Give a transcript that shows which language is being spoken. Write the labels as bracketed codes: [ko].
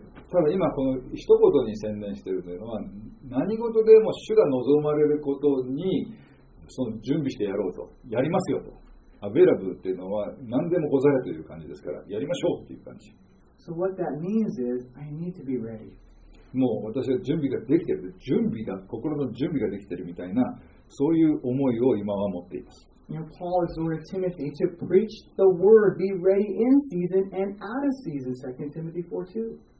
[ja] ただ今この一言に専念しているというのは何事でも主が望まれることにその準備してやろうとやりますよとアベラブルというのは何でもござれという感じですからやりましょうという感じ。 [en] So what that means is I need to be ready. [ja] もう私は準備ができてる準備が心の準備ができてるみたいなそういう思いを今は持っています。 [en] You know, Paul exhorted Timothy to preach the word, be ready in season and out of season, 2 Timothy 4:2.